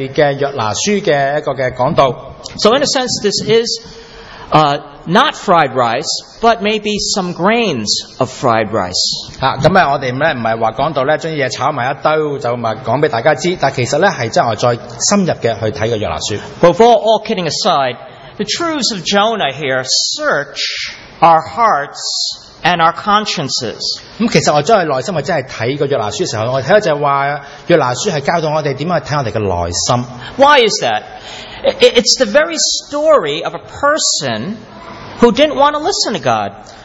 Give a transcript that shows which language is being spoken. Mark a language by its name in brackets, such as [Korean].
[Chinese] 也是在98年的,其實牧師也是講過一系列約拿書的講道。 [English] So in a sense, this is not fried rice, but maybe some grains of fried rice. [Chinese] 我們不是說講到將東西炒了一堆,就告訴大家,但其實是真的再深入地去看約拿書。 [English] Before all kidding aside, the truths of Jonah here search our hearts and our consciences. [Chinese] 其實我真的內心真的看約拿書的時候,我看就是說約拿書是教導我們怎樣去看我們的內心。 [English] Why is that? It's the very story of a person who didn't want to listen to God.